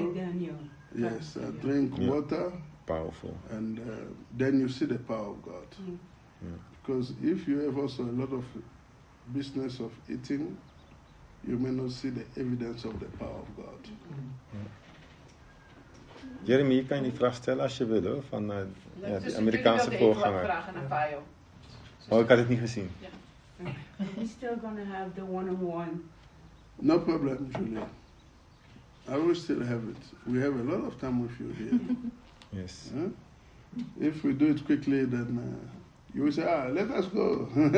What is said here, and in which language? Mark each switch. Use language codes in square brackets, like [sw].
[en] Like Daniel. Yes, I drink water. Powerful. And then you see the power of God. Because if you have also a lot of business of eating, you may not see the evidence of the power of God. [nl] Jeremy, je kan je die vraag stellen als je wil, hoor, van de Amerikaanse voorganger. Ik had het niet gezien. [en] Are we still going to have the one-on-one? No problem, Julia. I will still have it. We have a lot of time with you here. Yes. If we do it quickly, then you will say, ah, let us go.